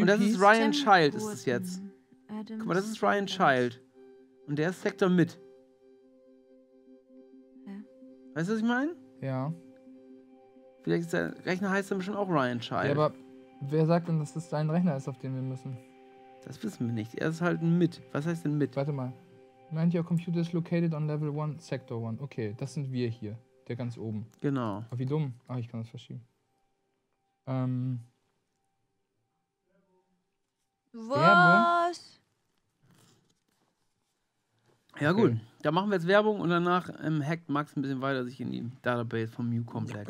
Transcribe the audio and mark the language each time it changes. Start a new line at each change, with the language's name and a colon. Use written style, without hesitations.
German: Und das ist Ryan Tim Child, Gordon. Ist es jetzt. Adams. Guck mal, das ist Ryan Child. Und der ist Sektor mit. Ja. Weißt du, was ich meine? Ja. Vielleicht ist der Rechner heißt dann bestimmt auch Ryan Child. Ja, aber wer sagt denn, dass das dein Rechner ist, auf den wir müssen? Das wissen wir nicht. Er ist halt mit. Was heißt denn mit? Warte mal. Meint,
English: your computer is located on level 1, Sector 1.
German: Okay, das sind wir hier. Der ganz oben. Genau. Aber wie dumm. Ach, ich kann das verschieben. Was? Ja, okay. Gut. Da machen wir jetzt Werbung und danach hackt Max ein bisschen weiter sich in die Database vom Mew-Komplex.